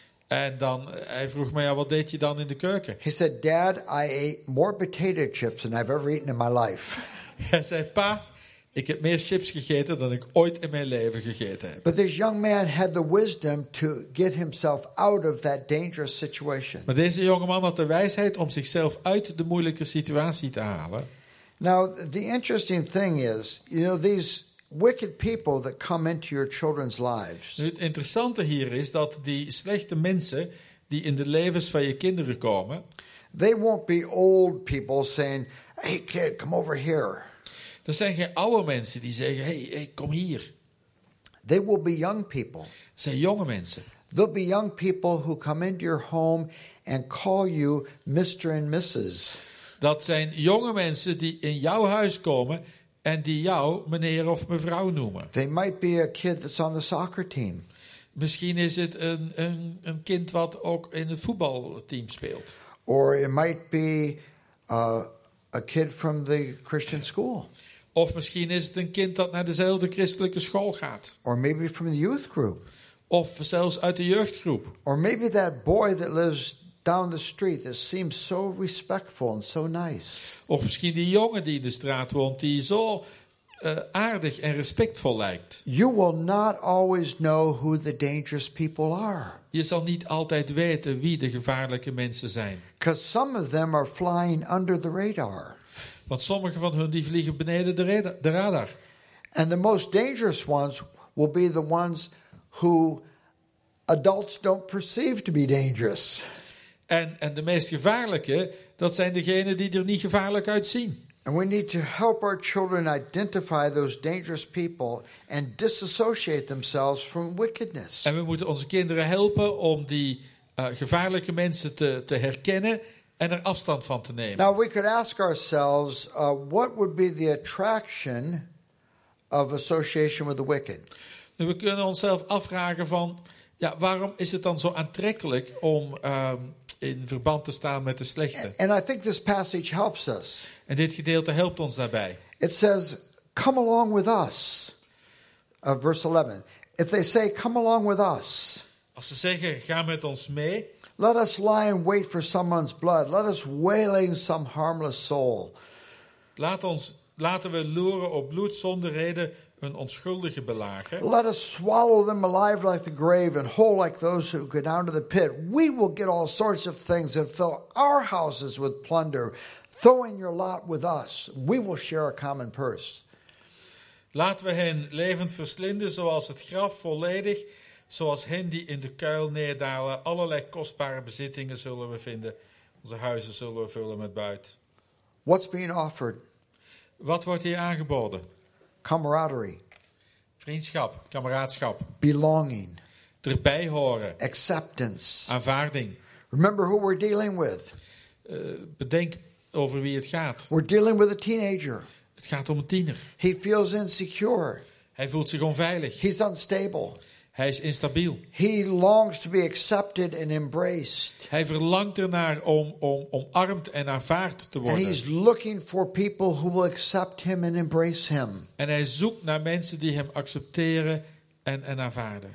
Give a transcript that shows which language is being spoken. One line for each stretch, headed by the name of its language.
Dutch: En dan, hij vroeg mij, ja, wat deed je dan in de keuken?
English: He said, Dad, I ate more potato chips than I've ever eaten in my life.
Dutch: Hij zei, pa, ik heb meer chips gegeten dan ik ooit in mijn leven gegeten heb.
English: But this young man had the wisdom to get himself out of that dangerous situation.
Dutch: Maar deze jonge man had de wijsheid om zichzelf uit de moeilijke situatie te halen.
English: Now, the interesting thing is, these wicked people that come into your children's lives.
Dutch: Het interessante hier is dat die slechte mensen die in de levens van je kinderen komen,
English: they won't be old people saying, "Hey kid, come over here."
Dutch: Dat zijn geen oude mensen die zeggen, hey, kom hier.
English: They will be young people.
Dutch: Dat zijn jonge mensen.
English: They'll be young people who come into your home and call you Mr. and Mrs.
Dutch: Dat zijn jonge mensen die in jouw huis komen en die jou meneer of mevrouw noemen.
English: They might be a kid that's on the soccer team.
Dutch: Misschien is het een kind wat ook in het voetbalteam speelt.
English: Or it might be a kid from the Christian school.
Dutch: Of misschien is het een kind dat naar dezelfde christelijke school gaat.
English: Or maybe from the youth group.
Dutch: Of zelfs uit de jeugdgroep.
English: Or maybe that boy that lives down the street that seems so respectful and so nice.
Dutch: Of misschien die jongen die in de straat woont die zo aardig en respectvol lijkt.
English: You will not always know who the dangerous people are.
Dutch: Je zal niet altijd weten wie de gevaarlijke mensen zijn.
English: Because some of them are flying under the radar.
Dutch: Want sommige van hun die vliegen beneden de radar.
English: And the most dangerous ones will be the ones who adults don't perceive to be dangerous.
Dutch: En de meest gevaarlijke, dat zijn degenen die er niet gevaarlijk uitzien.
English: And we need to help our children identify those dangerous people and disassociate themselves from wickedness.
Dutch: En we moeten onze kinderen helpen om die gevaarlijke mensen te herkennen en er afstand van te nemen.
English: Now we could ask ourselves what would be the attraction of association with the wicked.
Dutch: Nu, we kunnen onszelf afvragen van ja, waarom is het dan zo aantrekkelijk om in verband te staan met de slechte?
English: And I think this passage helps us.
Dutch: En dit gedeelte helpt ons daarbij.
English: It says, come along with us. Verse 11. If they say, come along with us.
Dutch: Als ze zeggen, ga met ons mee.
English: Let us lie and wait for someone's blood. Let us wailing some harmless soul.
Dutch: Laten we loeren op bloed zonder reden een onschuldige belagen.
English: Let us swallow them alive like the grave and whole like those who go down to the pit. We will get all sorts of things and fill our houses with plunder. Throw in your lot with us. We will share a common purse.
Dutch: Laten we hen levend verslinden zoals het graf volledig, zoals hen die in de kuil neerdalen. Allerlei kostbare bezittingen zullen we vinden. Onze huizen zullen we vullen met buit.
English: What's being offered?
Dutch: Wat wordt hier aangeboden?
English: Camaraderie.
Dutch: Vriendschap, kameraadschap.
English: Belonging.
Dutch: Erbij horen.
English: Acceptance.
Dutch: Aanvaarding.
English: Remember who we're dealing with.
Dutch: Bedenk over wie het gaat.
English: We're dealing with a teenager.
Dutch: Het gaat om een tiener.
English: He feels insecure.
Dutch: Hij voelt zich onveilig.
English: He's unstable.
Dutch: Hij is instabiel.
English: He longs to be accepted and embraced.
Dutch: Hij verlangt ernaar om omarmd en aanvaard te worden.
English: And he's looking for people who will accept him and embrace him.
Dutch: En hij zoekt naar mensen die hem accepteren en aanvaarden.